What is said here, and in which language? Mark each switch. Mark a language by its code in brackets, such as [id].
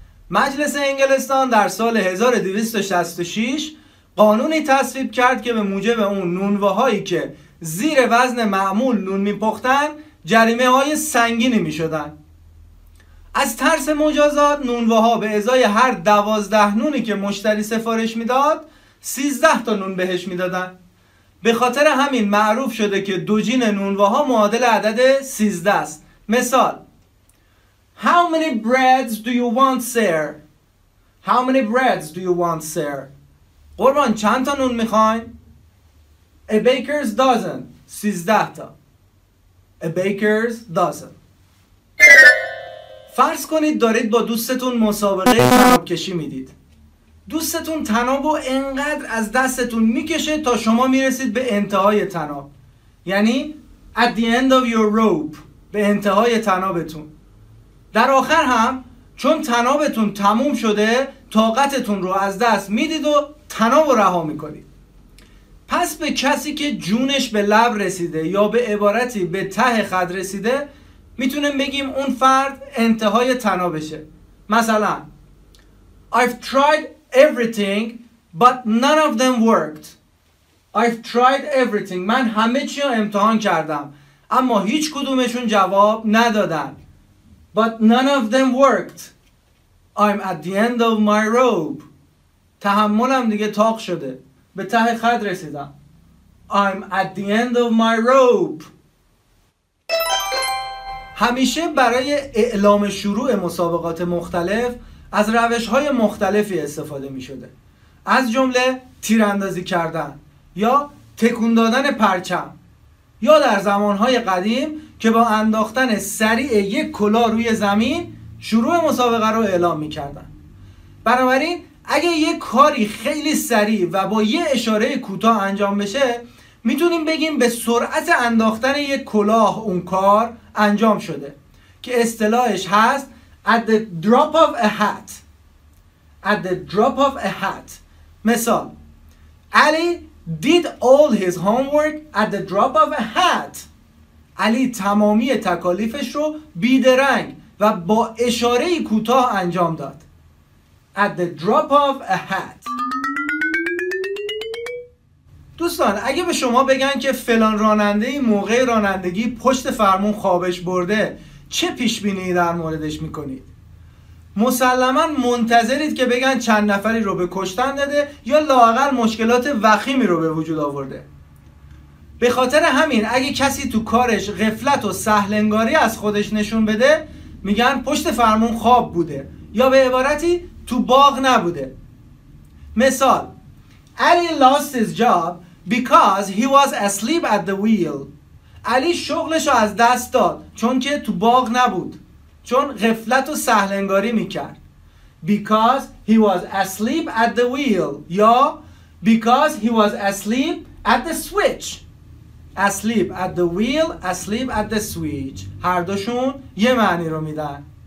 [fa] مجلس انگلستان در سال 1266 قانونی تصویب کرد که به موجب اون نونواهایی که زیر وزن معمول نون میپختن جریمه های سنگینی میشدن. از ترس مجازات نونواها به ازای هر 12 نونی که مشتری سفارش میداد 13 تا نون بهش میدادن. به خاطر همین معروف شده که دوجین نونواها معادل عدد 13 است. [en] مثال: How many breads do you want, sir? How many breads do you want, sir? [fa] قربان چند تا نون میخواین؟ [en] A baker's dozen. 13 تا. A baker's dozen. [fa] فرض کنید دارید با دوستتون مسابقه تناب کشی میدید. دوستتون تنابو انقدر از دستتون میکشه تا شما میرسید به انتهای تناب، یعنی [en] at the end of your rope، [fa] به انتهای تنابتون. در آخر هم چون تنابتون تموم شده طاقتتون رو از دست میدید و تنابو رها میکنید. پس به کسی که جونش به لب رسیده یا به عبارتی به ته خط رسیده میتونیم بگیم اون فرد انتهای تنابشه. [en] مثلا I've tried everything but none of them worked. I've tried everything. [fa] من همه چی رو امتحان کردم اما هیچ کدومشون جواب ندادن. [en] But none of them worked. I'm at the end of my rope. [fa] تحملم دیگه تاق شده، به ته خط رسیدم. [en] I'm at the end of my rope. [fa] همیشه برای اعلام شروع مسابقات مختلف از روش‌های مختلفی استفاده می‌شده، از جمله تیراندازی کردن یا تکون دادن پرچم، یا در زمان‌های قدیم که با انداختن سریع یک کلا روی زمین شروع مسابقه رو اعلام می‌کردن. بنابراین اگه یک کاری خیلی سریع و با یه اشاره کوتاه انجام بشه می‌تونیم بگیم به سرعت انداختن یک کلاه اون کار انجام شده، که اصطلاحش هست [en] At the drop of a hat. At the drop of a hat. مثال: Ali did all his homework at the drop of a hat. [fa] علی تمامی تکالیفش رو بیدرنگ و با اشاره کوتاه انجام داد. [en] At the drop of a hat. [fa] دوستان اگه به شما بگن که فلان راننده موقع رانندگی پشت فرمون خوابش برده چه پیش بینی در موردش میکنید؟ مسلما منتظرید که بگن چند نفری رو به کشتن داده یا لااقل مشکلات وخیمی رو به وجود آورده. به خاطر همین اگه کسی تو کارش غفلت و سهل‌انگاری از خودش نشون بده میگن پشت فرمون خواب بوده، یا به عبارتی تو باغ نبوده. [en] مثال: Ali lost his job because he was asleep at the wheel. [fa] علی شغلش رو از دست داد چون که تو باغ نبود، چون غفلت و سهل‌انگاری میکرد. [en] Because he was asleep at the wheel، یا Because he was asleep at the switch. asleep at the wheel, asleep at the switch. [fa] هر دوشون یه معنی رو میدن.